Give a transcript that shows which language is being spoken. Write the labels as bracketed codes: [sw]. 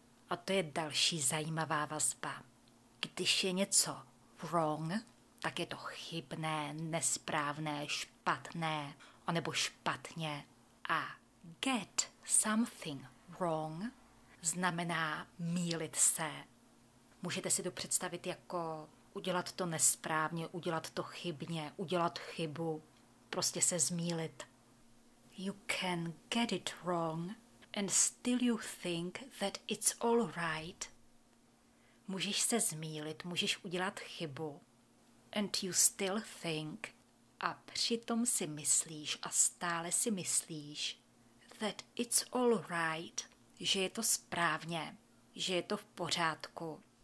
[cs] A to je další zajímavá vazba. Když je něco wrong, tak je to chybné, nesprávné, špatné, anebo špatně. A get something wrong znamená mýlit se. Můžete si to představit jako udělat to nesprávně, udělat to chybně, udělat chybu, prostě se zmýlit. [en] You can get it wrong and still you think that it's all right. [cs] Můžeš se zmýlit, můžeš udělat chybu. [en] And you still think, [cs] a přitom si myslíš a stále si myslíš, [en] that it's all right, [cs] že je to správně, že je to v pořádku.